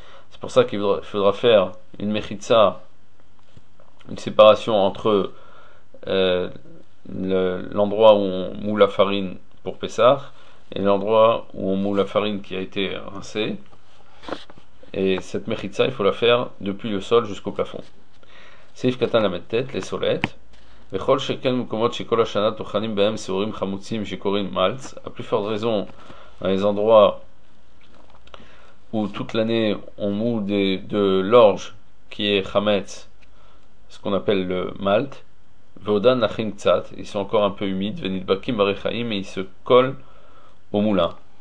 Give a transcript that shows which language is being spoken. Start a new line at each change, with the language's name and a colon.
French: C'est pour ça qu'il faudra faire une mechitza, une séparation entre l'endroit où on moule la farine pour Pessah et l'endroit où on moule la farine qui a été rincée. Et cette mechitza, il faut la faire depuis le sol jusqu'au plafond.
Hebrew: Seif katan lamed tet,
French: les solettes.
Hebrew: וכל שכן מקומות שכל השנה טוחנים בהם שעורים חמוצים שקוראים מלץ.
French: A plus forte raison, dans les endroits où toute l'année on moule de l'orge qui est chametz, ce qu'on appelle le malt.
Hebrew: Veodan nachin tzat,
French: ils sont encore un peu humides.
Hebrew: Venidbakim barechaim,
French: et ils se collent au moulin.